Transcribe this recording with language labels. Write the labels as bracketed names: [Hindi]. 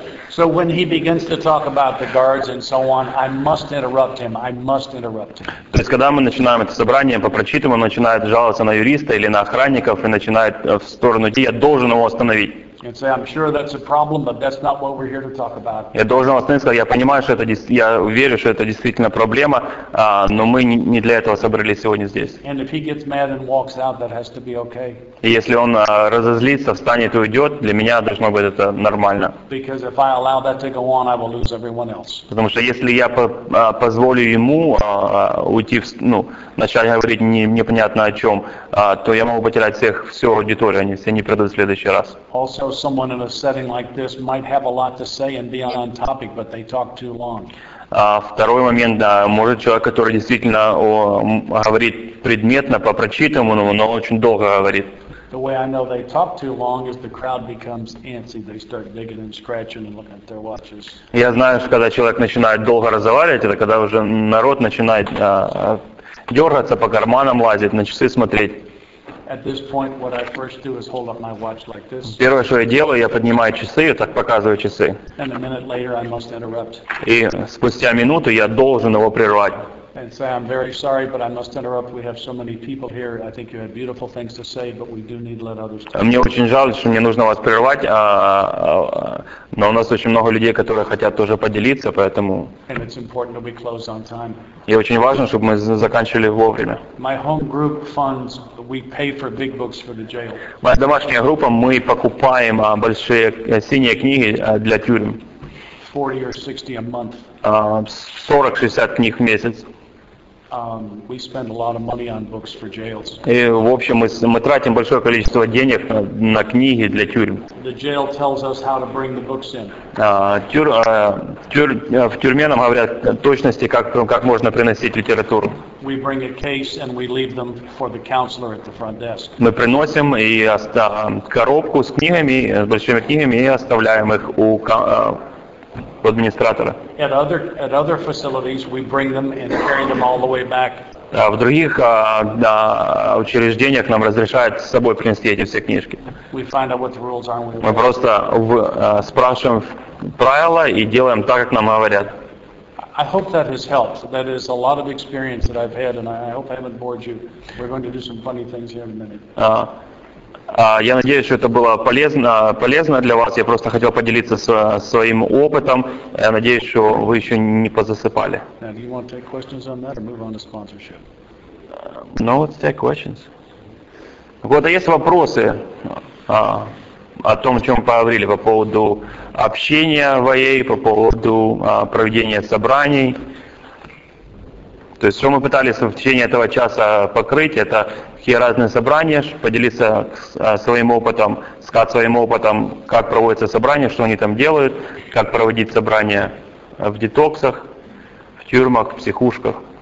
[English] So when he begins to talk about the guards and so on, I must interrupt him. I must interrupt him. [Russian] То есть когда мы начинаем это собрание по прочитанному, начинает жаловаться на юриста или на охранников и начинает в сторону идти, я должен его остановить. [English] And say, I'm sure that's a problem, but that's not what we're here to talk about. [Russian] Я должен остановить, сказать, я понимаю, что это, я верю, что это действительно проблема, но мы не для этого собрались сегодня здесь. [English] And if he gets mad and walks out, that has to be okay. [Russian] И если он разозлится, встанет и уйдет, для меня должно быть это нормально. [English] Because if I allow that to go on, I will lose everyone else. [Russian] Потому что если я позволю ему уйти, ну, начать говорить непонятно о чем, то я могу потерять всех, всю аудиторию, они все не придут в следующий раз. [English] Also, someone in a setting like this might have a lot to say and be on topic, but they talk too long. [Russian] Второй момент, да, может человек, который действительно говорит предметно, по прочитанному, но очень долго говорит. [English] The way I know they talk too long is the crowd becomes antsy. They start digging and scratching and looking at their watches. [Russian] Я знаю, что когда человек начинает долго разговаривать, это когда уже народ начинает дергаться, по карманам лазить, на часы смотреть. [English] At this point, what I first do is hold up my watch like this. [Russian] Первое, что я делаю, я поднимаю часы и так показываю часы. [English] And a minute later, I must interrupt. [Russian] И спустя минуту я должен его прервать. [English] And say, I'm very sorry, but I must interrupt. We have so many people here. I think you had beautiful things to say, but we do need to let others talk. [Russian] Мне очень жаль, что мне нужно вас прервать, но у нас очень много людей, которые хотят тоже поделиться, поэтому... [English] And it's important that we close on time. [Russian] И очень важно, чтобы мы заканчивали вовремя. [English] My home group funds, we pay for big books for the jail. [Russian] Моя домашняя группа, мы покупаем большие синие книги для тюрем. [English] 40 or 60 a month. [Russian] 40-60 книг в месяц. [English] We spend a lot of money on books for jails. [Russian] И в общем мы тратим большое количество денег на книги для тюрем. [English] The jail tells us how to bring the books in. [Russian] В тюрьме нам говорят точности, как можно приносить литературу. [English] We bring a case and we leave them for the counselor at the front desk. [Russian] Мы приносим и коробку с книгами, с большими книгами и оставляем их у администратора. [English] At other facilities, we bring them and carry them all the way back. [Russian] В других учреждениях нам разрешают с собой принести эти все книжки. [English] We find out what the rules are. [Russian] Мы просто спрашиваем правила и делаем так, как нам говорят. [English] I hope that has helped. That is a lot of experience that I've had, and I hope I haven't bored you. We're going to do some funny things here in a minute. [Russian] Я надеюсь, что это было полезно для вас. Я просто хотел поделиться своим опытом. Я надеюсь, что вы еще не позасыпали. [English] Now, do you want to take questions on that or move on to sponsorship? No, let's take questions. [Russian] Вот, а есть вопросы о том, о чем поговорили, по поводу общения в АА, по поводу проведения собраний. То есть, что мы пытались в течение этого часа покрыть, это какие разные собрания, поделиться своим опытом, сказать своим опытом, как проводятся собрания, что они там делают, как проводить собрания в детоксах, в тюрьмах, в психушках.